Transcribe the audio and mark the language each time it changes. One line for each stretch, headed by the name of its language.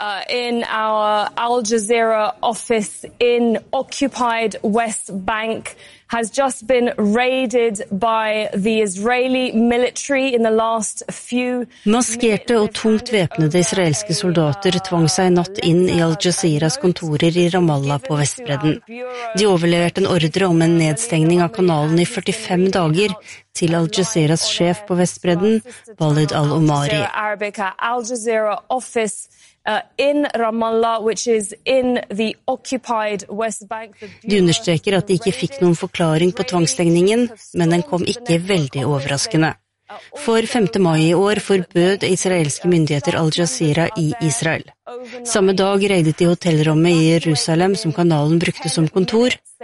English: In our Al Jazeera office in occupied West Bank has just been raided by the Israeli military in the last few
Norwegian: Maskerte og tungt væpnede israelske soldater tvang seg natt inn i Al Jazeeras kontorer i Ramallah på Vestbredden. De overleverte en ordre om en nedstengning av kanalen i 45 dager til Al Jazeeras sjef på Vestbredden, Walid al-Omari.
English: Al Jazeera office in Ramallah, which is in the occupied West Bank.
Norwegian: De understreker at de ikke fikk noen forklaring på tvangstengningen, men den kom ikke veldig overraskende. For 5. mai i år forbød israelske myndigheter Al Jazeera i Israel. Samme dag reidet de hotellrommet i Jerusalem som kanalen brukte som kontor.